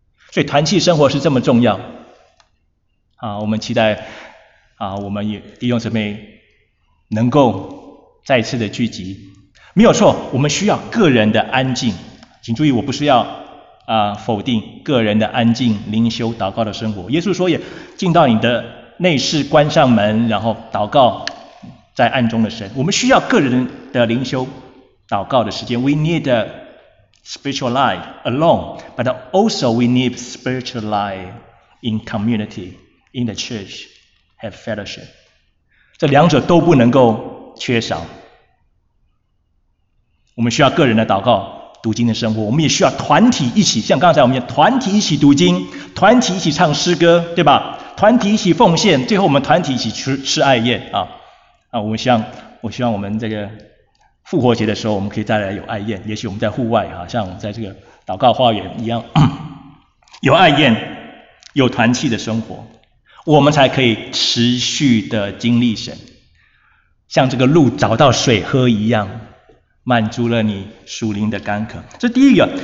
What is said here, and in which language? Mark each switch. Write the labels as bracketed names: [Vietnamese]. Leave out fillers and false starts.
[Chinese] 所以团契生活是这么重要啊，我们期待啊，我们弟兄姊妹能够再次的聚集，没有错，我们需要个人的安静，请注意我不是要否定个人的安静灵修祷告的生活。耶稣说也进到你的内室关上门，然后祷告在暗中的神，我们需要个人的灵修祷告的时间。 [English] We need a spiritual life alone, but also we need spiritual life in community, in the church, have fellowship. [Chinese] 这两者都不能够缺少。我们需要个人的祷告读经的生活，我们也需要团体一起，像刚才我们讲团体一起读经，团体一起唱诗歌，对吧？团体一起奉献，最后我们团体一起吃爱宴啊。我希望我们这个复活节的时候我们可以再来有爱宴，也许我们在户外啊，像在这个祷告花园一样，有爱宴有团契的生活，我们才可以持续的经历神，像这个鹿找到水喝一样，满足了你属灵的干渴。这第一个。